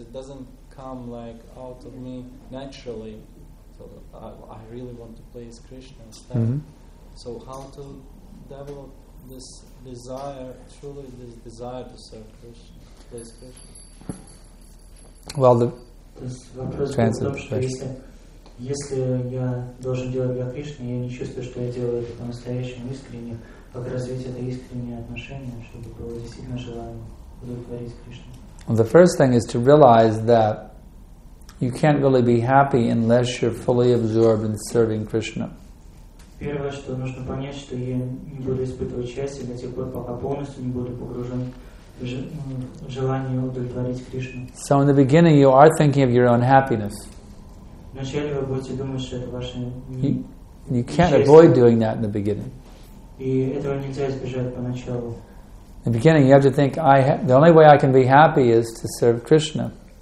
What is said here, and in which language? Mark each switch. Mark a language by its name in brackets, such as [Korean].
[English] It doesn't come like out of me naturally. So I really want to please Krishna instead. Mm-hmm. So how to develop this desire, truly this desire to serve Krishna, please Krishna? Well, the translation. [Russian] Если я должен делать для Кришны, я не чувствую, что я делаю это по-настоящему искренне, как развить это искреннее отношение, чтобы было действительно желание удовлетворить Кришну. [English] The first thing is to realize that you can't really be happy unless you're fully absorbed in serving Krishna. [Russian] Первое, что нужно понять, что я не буду испытывать счастье до тех пор, пока полностью не буду погружен в желание удовлетворить Кришну. [English] So in the beginning you are thinking of your own happiness. You can't avoid doing that in the beginning. In the beginning, you have to think, the only way I can be happy is to serve Krishna.